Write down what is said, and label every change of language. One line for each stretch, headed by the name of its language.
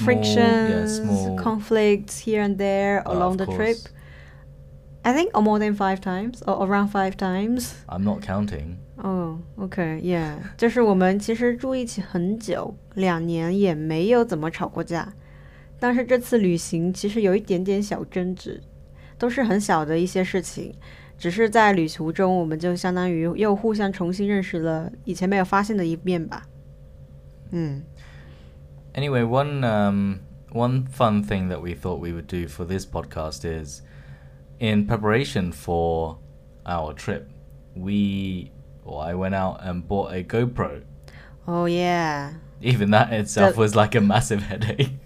English: frictions, conflicts here and there along the trip. I think more than 5 times, or around 5 times. I'm not counting. Oh, okay, yeah.
Chinese: 就是我们其实住一起很久，两年也没有怎么吵过架。但是这次旅行其实有一点点小争执，都是很小的一些事情。只是在旅途中，我们就相当于又互相重新认识了以前没有发现的一面吧。
English: Anyway, one fun thing that we thought we would do for this podcast is, in preparation for our trip, I went out and bought a GoPro. Oh, yeah. Even that itself was like a massive headache.